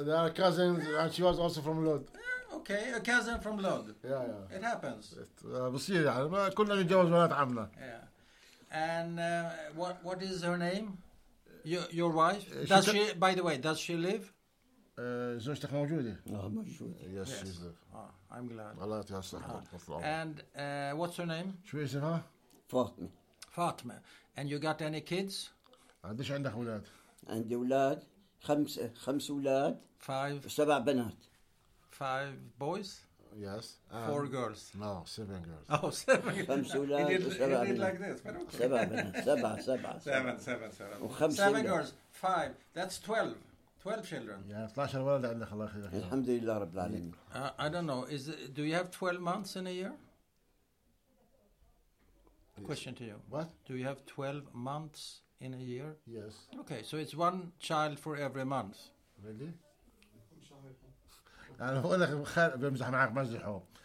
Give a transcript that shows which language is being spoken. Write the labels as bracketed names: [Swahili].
[English] They are cousins and she was also from Lod. Okay, a cousin from Lod. Yeah, yeah. It happens. [Arabic] بصير يعني ما كلنا نتجوز بنات عمنا. [English] Yeah. And what is her name? Your wife? Does she, by the way, does she live? [Arabic] زوجتك موجودة. موجودة. [English] Yes, she's there. I'm glad. [Arabic] الله يسعدك. [English] And what's her name? [Arabic] شو اسمها؟ فاطمة. [English] فاطمة. And you got any kids? [Arabic] عندش عندك أولاد؟ عندي أولاد. خمس أولاد. [English] Five. [Arabic] سبع بنات. [English] Five boys. Yes. Four girls. No, seven girls. Oh, seven. [Arabic] خمس أولاد. [English] He did like this, but okay. [Arabic] سبع بنات. سبع سبع. [English] Seven. Seven girls. Five. That's 12. 12 children. [Arabic] Yeah, 12 ولد عندك الله يخليك. الحمد لله رب العالمين. [English] I don't know. Do you have 12 months in a year? Yes. Question to you. What? Do you have 12 months in a year? Yes. Okay, so it's one child for every month. Really? [Arabic] أنا بقول لك مخالف بمزح معك مزحه.